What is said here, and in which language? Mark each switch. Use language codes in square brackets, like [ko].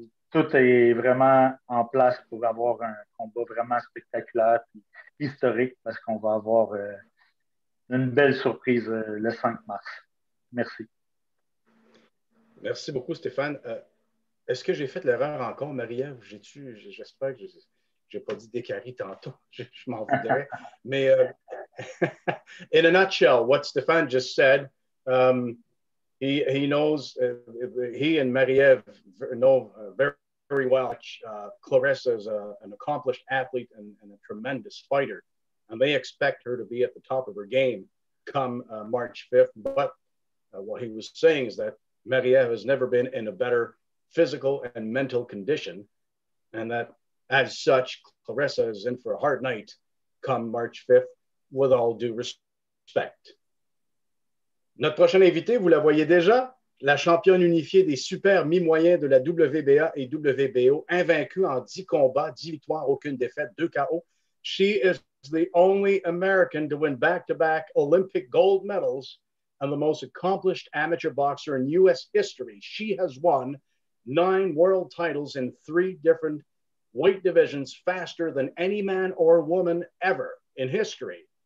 [fr] Tout est vraiment en place pour avoir un combat vraiment spectaculaire et historique parce qu'on va avoir une belle surprise le 5 mars. Merci. Merci beaucoup, Stéphane. Est-ce que j'ai fait l'erreur encore, Marie-Ève? J'espère que je n'ai pas dit Dicaire tantôt. Je m'en voudrais. [en] Mais, in a nutshell, what Stéphane just said, he knows, he and Marie-Ève know very well Claressa is an accomplished athlete and a tremendous fighter, and they expect her to be at the top of her game come March 5th. But what he was saying is that Marie-Ève has never been in a better physical and mental condition, and that as such, Claressa is in for a hard night come March 5th, with all due respect. [fr] Notre prochaine invitée, vous la voyez déjà, la championne unifiée des super mi-moyens de la WBA et WBO, invaincue en 10 combats, 10 victoires, aucune défaite, 2 KO. [en] She is the only American to win back-to-back Olympic gold medals and the most accomplished amateur boxer in U.S. history. She has won 9 world titles in 3 different weight divisions faster than any man or woman ever in history.